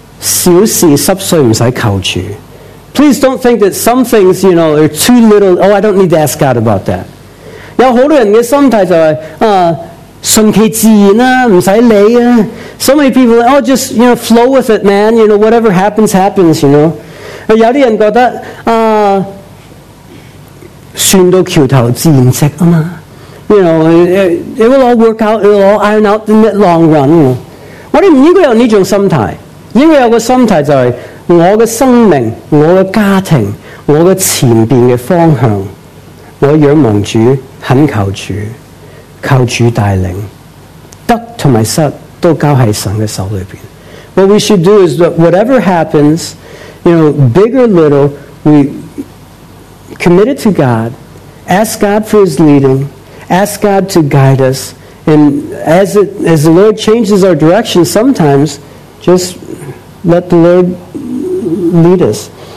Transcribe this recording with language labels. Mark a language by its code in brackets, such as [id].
[zh] 你沒有這種心態,小事濕碎不用求主. [en] Please don't think that some things, you know, are too little. Oh, I don't need to ask God about that. [zh] 有很多人的心態就是,順其自然,不用理. [en] So many people, oh, just, you know, flow with it, man. You know, whatever happens, happens, you know. [zh] 有些人覺得,船到橋頭自然直嘛, [en] you know, it will all work out, it will all iron out in the long run. [zh] 我們不應該有這種心態, 應該有個心態就是,我的生命,我的家庭,我的前面的方向, 我仰望主,懇求主,靠主帶領, 得和失都交在神的手裡面. [en] What we should do is that whatever happens, you know, big or little, we commit it to God, ask God for His leading, ask God to guide us, and as the Lord changes our direction sometimes, just let the Lord lead us.